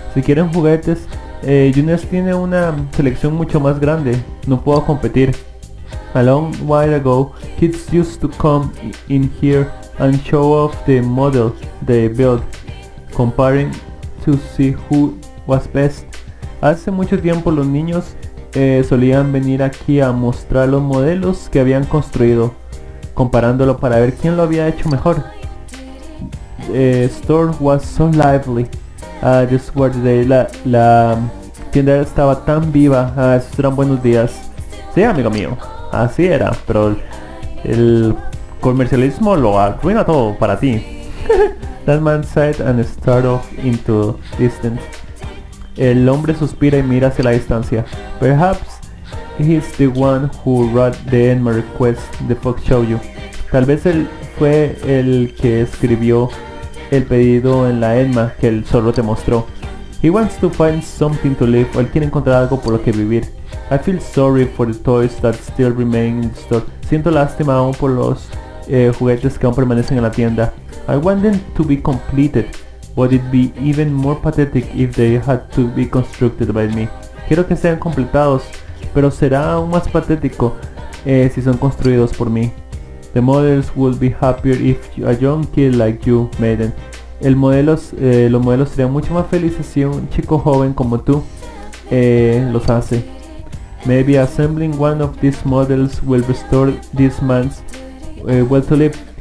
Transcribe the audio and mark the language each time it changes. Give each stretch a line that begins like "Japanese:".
Spanish: Si quieren juguetes, Junes tiene una selección mucho más grande. No puedo competir.
English: A long while ago, kids used to come in here and show off the model they built, comparing to see who was best.
Spanish: Hace mucho tiempo los niños solían venir aquí a mostrar los modelos que habían construido, comparándolo para ver quién lo había hecho mejor.
English: Store was so lively. This was the day.
Spanish: La tienda estaba tan viva. Esos eran buenos días. Sí, amigo mío, así era. Pero el comercialismo lo arruina todo para ti.
English: That man sighed and started off into distance.
Spanish: El hombre suspira y mira hacia la distancia.
English: Perhaps he's the one who wrote the Enma request. The fuck show you.
Spanish: Tal vez él fue el que escribió el pedido en la Enma que el zorro te mostró.
English: He wants to find something to live.
Spanish: Él quiere encontrar algo por lo que vivir.
English: I feel sorry for the toys that still remain in the store.
Spanish: Siento lástima aún por los juguetes que aún permanecen en la tienda.
English: I want them to be completed. Would it be even more pathetic if they had to be constructed by me?
Spanish: Quiero que sean completados, pero será aún más patético si son construidos por mí.
English: The models would be happier if a young kid like you made them.
Spanish: Los modelos serían mucho más felices si un chico joven como tú los hace.
English: Maybe assembling one of these models will restore this man's will to live.